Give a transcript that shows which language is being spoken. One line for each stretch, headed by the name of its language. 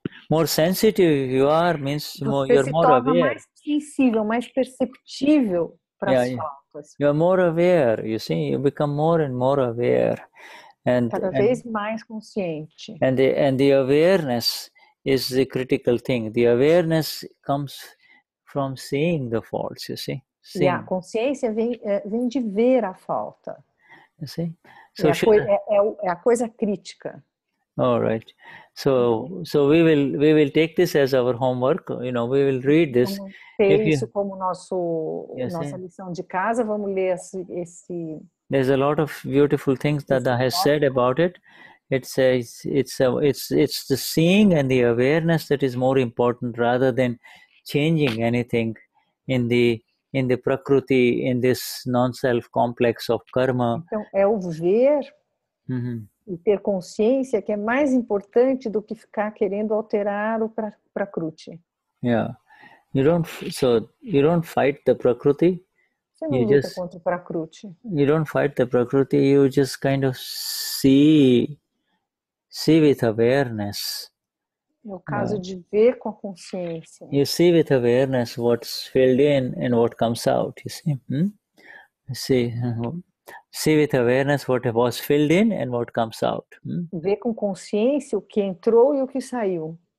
English: more sensitive you are means more, you're more aware.
Portuguese: Você se torna mais sensível, mais perceptível para as faltas.
English: You're more aware, you see, you become more and more aware.
Portuguese: Cada vez mais consciente.
English: And the awareness is the critical thing. The awareness comes from seeing the faults, you see.
Portuguese: E a consciência vem de ver a falta.
English: You see?
Portuguese: So é a coisa crítica.
English: All right. So we will take this as our homework. You know, we will read this.
Portuguese: Nossa lição de casa, vamos ler esse.
English: There's a lot of beautiful things that Dada has said about it. It's the seeing and the awareness that is more important rather than changing anything in the prakriti, in this non-self complex of karma.
Portuguese: Então, é o ver. Uhum. E ter consciência que é mais importante do que ficar querendo alterar o prakruti.
English: Yeah. You don't fight the prakruti.
Portuguese: Você não luta contra o prakruti.
English: You don't fight the prakruti, you just kind of see with awareness.
Portuguese: É o caso de ver com a consciência.
English: You see with awareness what's filled in and what comes out, you see. See with awareness what was filled in and what comes out.
Portuguese: Vê com consciência o que entrou e o que saiu.